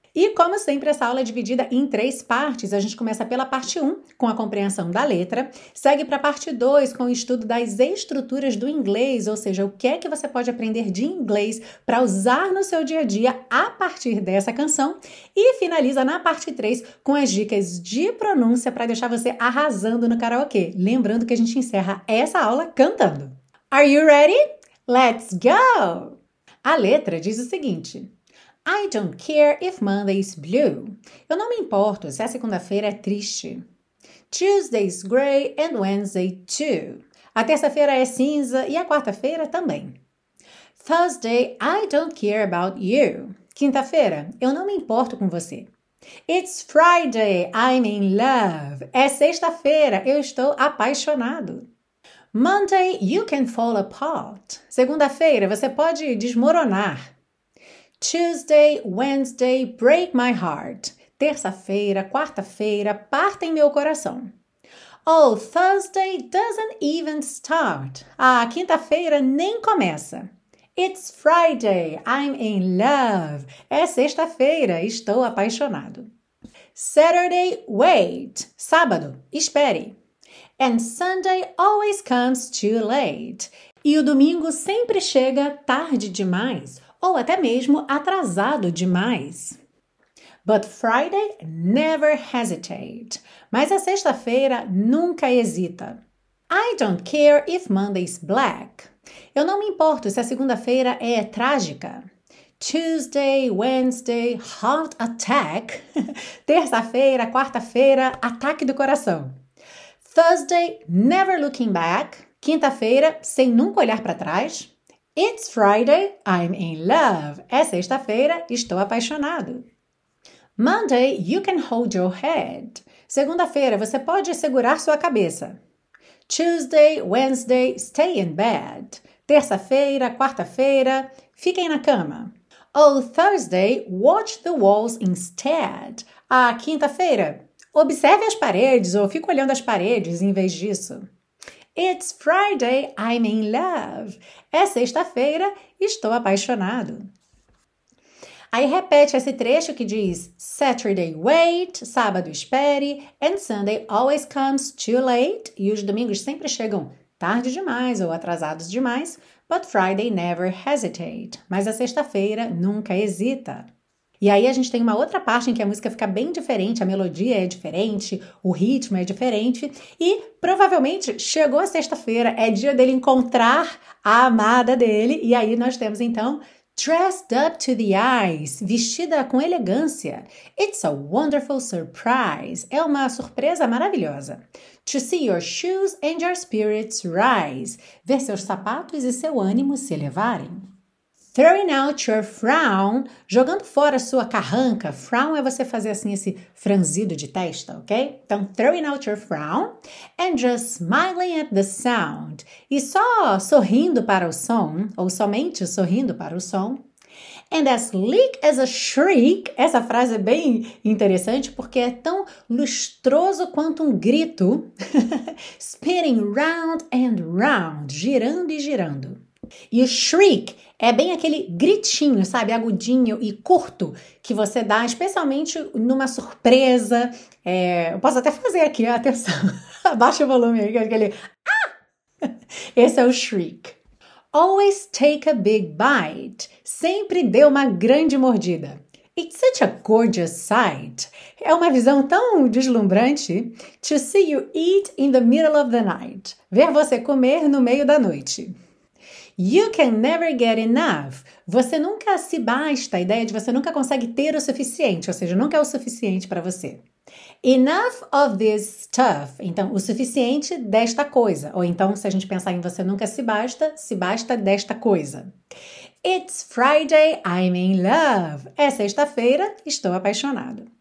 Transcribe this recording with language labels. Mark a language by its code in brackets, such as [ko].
[pt] E como sempre, essa aula é dividida em três partes. A gente começa pela parte 1, com a compreensão da letra, segue para a parte 2, com o estudo das estruturas do inglês, ou seja, o que é que você pode aprender de inglês para usar no seu dia a dia a partir dessa canção, e finaliza na parte 3, com as dicas de pronúncia para deixar você arrasando no karaokê. Lembrando que a gente encerra essa aula cantando. [en] Are you ready? Let's go! [pt] A letra diz o seguinte: [en] I don't care if Monday is blue. [pt] Eu não me importo se a segunda-feira é triste. [en] Tuesday is gray and Wednesday too. [pt] A terça-feira é cinza e a quarta-feira também. [en] Thursday, I don't care about you. [pt] Quinta-feira, eu não me importo com você. [en] It's Friday, I'm in love. [pt] É sexta-feira, eu estou apaixonado. [en] Monday, you can fall apart. [pt] Segunda-feira, você pode desmoronar. [en] Tuesday, Wednesday, break my heart. [pt] Terça-feira, quarta-feira, partem meu coração. [en] Oh, Thursday doesn't even start. [pt] Ah, quinta-feira nem começa. [en] It's Friday, I'm in love. [pt] É sexta-feira, estou apaixonado. [en] Saturday, wait. [pt] Sábado, espere. [en] And Sunday always comes too late. [pt] E o domingo sempre chega tarde demais. Ou até mesmo atrasado demais. [en] But Friday never hesitate. [pt] Mas a sexta-feira nunca hesita. [en] I don't care if Monday's black. [pt] Eu não me importo se a segunda-feira é trágica. [en] Tuesday, Wednesday, heart attack. [pt] Terça-feira, quarta-feira, ataque do coração. [en] Thursday, never looking back. [pt] Quinta-feira, sem nunca olhar para trás. [en] It's Friday, I'm in love. [pt] É sexta-feira, estou apaixonado. [en] Monday, you can hold your head. [pt] Segunda-feira, você pode segurar sua cabeça. [en] Tuesday, Wednesday, stay in bed. [pt] Terça-feira, quarta-feira, fiquem na cama. [en] Oh, Thursday, watch the walls instead. [pt] Ah, quinta-feira, observe as paredes ou fique olhando as paredes em vez disso. [en] It's Friday, I'm in love. [pt] É sexta-feira, estou apaixonado. Aí repete esse trecho que diz: [en] Saturday, wait. [pt] Sábado, espere. [en] And Sunday always comes too late. [pt] E os domingos sempre chegam tarde demais ou atrasados demais. [en] But Friday never hesitate. [pt] Mas a sexta-feira nunca hesita. E aí a gente tem uma outra parte em que a música fica bem diferente, a melodia é diferente, o ritmo é diferente, e provavelmente chegou a sexta-feira, é dia dele encontrar a amada dele, e aí nós temos então [en] dressed up to the eyes, [pt] vestida com elegância. [en] It's a wonderful surprise. [pt] É uma surpresa maravilhosa. [en] To see your shoes and your spirits rise. [pt] Ver seus sapatos e seu ânimo se elevarem. [en] Throwing out your frown, [pt] jogando fora sua carranca. Frown é você fazer assim esse franzido de testa, ok? Então, [en] throwing out your frown and just smiling at the sound. [pt] E só sorrindo para o som, ou somente sorrindo para o som. [en] And as sleek as a shriek, [pt] essa frase é bem interessante porque é tão lustroso quanto um grito. [en] Spinning round and round, [pt] girando e girando. E o shriek é bem aquele gritinho, sabe, agudinho e curto que você dá, especialmente numa surpresa. Eu posso até fazer aqui, atenção, abaixa o volume aí, aquele. Esse é o shriek. [en] Always take a big bite. [pt] Sempre dê uma grande mordida. [en] It's such a gorgeous sight. [pt] É uma visão tão deslumbrante. [en] To see you eat in the middle of the night. [pt] Ver você comer no meio da noite. [en] You can never get enough. [pt] Você nunca se basta. A ideia de você nunca consegue ter o suficiente, ou seja, nunca é o suficiente para você. Enough of this stuff. Então, o suficiente desta coisa. Ou então, se a gente pensar em você nunca se basta desta coisa. [en] It's Friday, I'm in love. [pt] É sexta-feira, estou apaixonado.